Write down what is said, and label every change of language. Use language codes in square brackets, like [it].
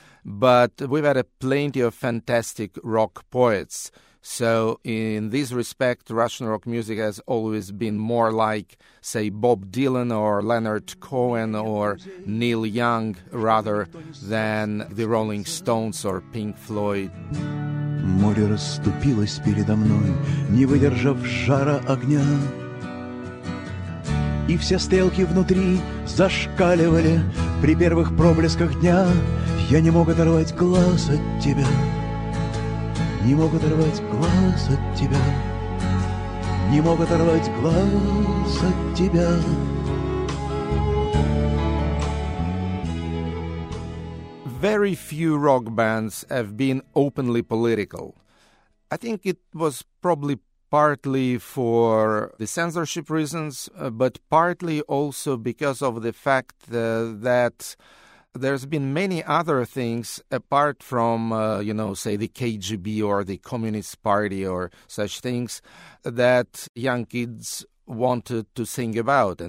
[en] But we've had plenty of fantastic rock poets. So in this respect, Russian rock music has always been more like, say, Bob Dylan or Leonard Cohen or Neil Young rather than the Rolling Stones or Pink Floyd. [ru] Море расступилось передо мной, не выдержав жара огня. И все стрелки внутри зашкаливали при первых проблесках дня. Я не мог оторвать глаз от тебя, не мог оторвать глаз от тебя, не мог оторвать глаз от тебя. [en] Very few rock bands have been openly political. I think it was probably partly for the censorship reasons, but partly also because of the fact that there's been many other things apart from, say, the KGB or the Communist Party or such things that young kids wanted to sing about.